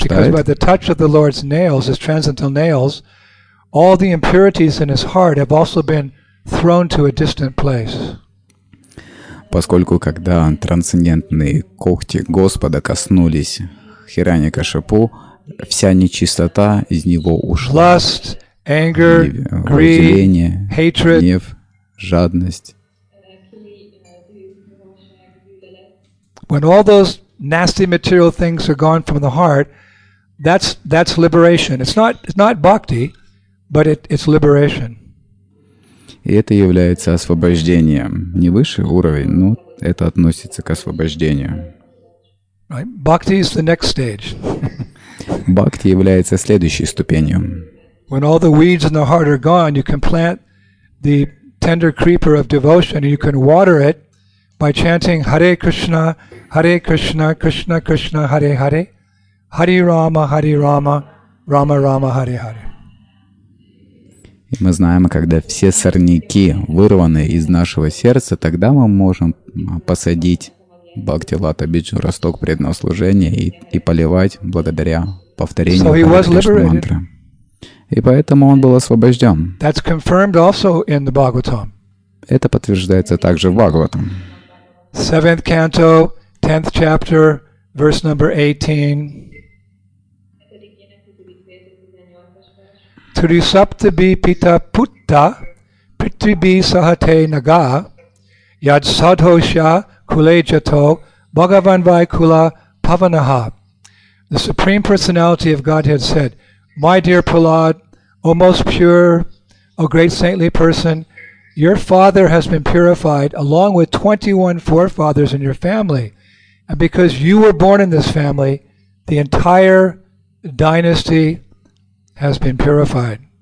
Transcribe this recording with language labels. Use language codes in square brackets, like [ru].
[en] because by the touch of the Lord's nails, his transcendental nails, all the impurities in his heart have also been thrown to a distant place. [ru] Поскольку когда трансцендентные когти Господа коснулись Хираньякашипу, вся нечистота из него ушла. [en] Lust, anger, greed, hatred, [ru] гнев, жадность. [en] When all those nasty material things are gone from the heart, that's liberation. It's not bhakti, but it's liberation. [ru] И это является освобождением. Не высший уровень, но это относится к освобождению. [en] Right? Bhakti is the next stage. [ru] Бхакти является следующей ступенью. [en] When all the weeds in the heart are gone, you can plant the tender creeper of devotion and you can water it by chanting [sa] Hare Krishna, Hare Krishna, Krishna Krishna, Hare Hare, [en] Hare Rama, Hare Rama, Rama Rama, Hare Hare. [ru] И мы знаем, когда все сорняки вырваны из нашего сердца, тогда мы можем посадить Бхакти Лата Биджу, росток преданного служения, и поливать благодаря повторению Hare Krishna мантры. И поэтому он был освобожден. [en] That's confirmed also in the Bhagavatam. [ru] Это подтверждается также в Бхагаватам. [en] 7th canto, 10th chapter, verse number 18. [sa] Turisaptabhi pita putta prithvibhi sahate naga Яд садхоша кулейчато Бхагаван вайкула паванаха. [en] The Supreme Personality of Godhead said, My dear Prahlad, O most pure, O great saintly person, your father has been purified along with 21 forefathers in your family. And because you were born in this family, the entire dynasty has been purified.